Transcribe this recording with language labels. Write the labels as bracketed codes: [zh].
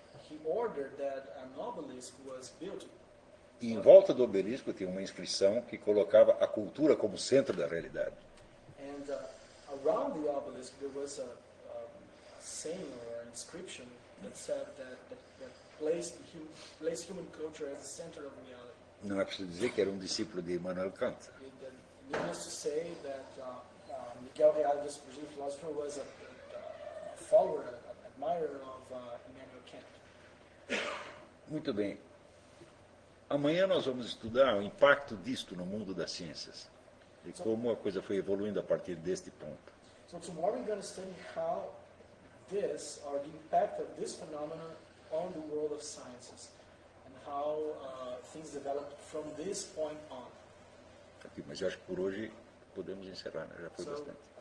[en] He ordered that an obelisk was built. [pt] E em volta do obelisco tinha uma inscrição que colocava a cultura como centro da realidade. [en] And around the obelisk there was a saying or an inscription that said that placed human culture as the center of reality. [pt] Não é preciso dizer que era um discípulo de Immanuel Kant. [en] Needless to say that Miguel Reale, this Brazilian philosopher, was a follower, an admirer of Immanuel Kant. [pt] Muito bem. Amanhã nós vamos estudar o impacto disto no mundo das ciências e como a coisa foi evoluindo a partir deste ponto. [en] So tomorrow we're going to study how this or the impact of this phenomenon on the world of sciences and how things developed from this point on. [pt] Aqui, mas eu acho que por hoje podemos encerrar, né? Já foi bastante.